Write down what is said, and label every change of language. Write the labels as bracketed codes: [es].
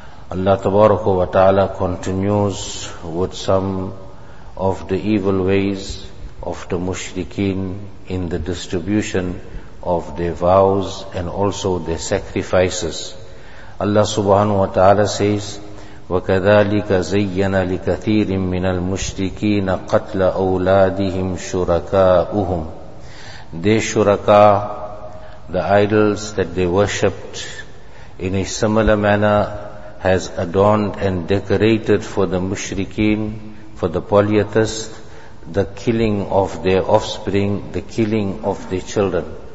[en] Allah Tabaraka wa Ta'ala continues with some of the evil ways of the mushrikeen in the distribution of their vows and also their sacrifices. [ar] Allah Subhanahu wa Ta'ala says, وَكَذَلِكَ زَيَّنَ لِكَثِيرٍ مِّنَ الْمُشْرِكِينَ قَتْلَ أَوْلَادِهِمْ شُرَكَاؤُهُمْ. [en] Their shuraka, the idols that they worshipped, in a similar manner has adorned and decorated for the mushrikeen, for the polytheist, the killing of their offspring, the killing of their children.